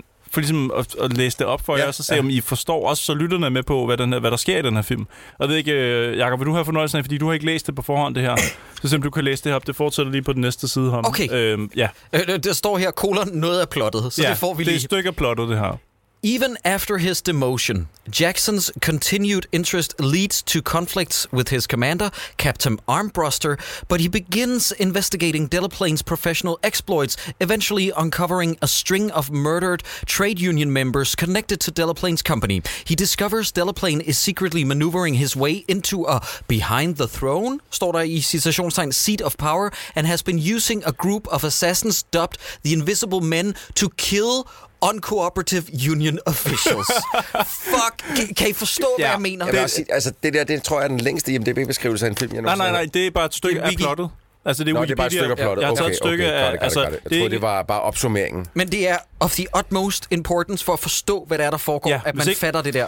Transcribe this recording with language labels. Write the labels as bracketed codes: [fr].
[da] for ligesom at læse det op for jer, og så se, om I forstår også, så lytterne med på, hvad der sker i den her film. Jeg ved ikke, Jakob, vil du have fornøjelsen af, fordi du har ikke læst det på forhånd, det her. Så simpelthen, du kan læse det her op. Det fortsætter lige på den næste side her. Okay. Ja. Der står her, kolon, noget er plottet. Så det får vi lige. Det er et stykke af plottet, det her. [en] Even after his demotion, Jackson's continued interest leads to conflicts with his commander, Captain Armbruster, but he begins investigating Delaplane's professional exploits, eventually uncovering a string of murdered trade union members connected to Delaplane's company. He discovers Delaplane is secretly maneuvering his way into a behind the throne, [da] står der i citationstegn, [en] seat of power, and has been using a group of assassins dubbed the Invisible Men to kill uncooperative union officials. [da] Fuck, kan I forstå, ja, hvad jeg mener? Det, jeg sige, altså, det der, det tror jeg er den længste IMDb-beskrivelse af en film, jeg nogensinde. Nej, det er bare et stykke af plottet. Altså, det er, nå, det er bare et stykke af plottet. Jeg har taget et stykke af... Jeg troede, det var bare opsummeringen. Men det er [en] of the utmost importance [da] for at forstå, hvad der er, der foregår, ja, at man ikke fatter det der.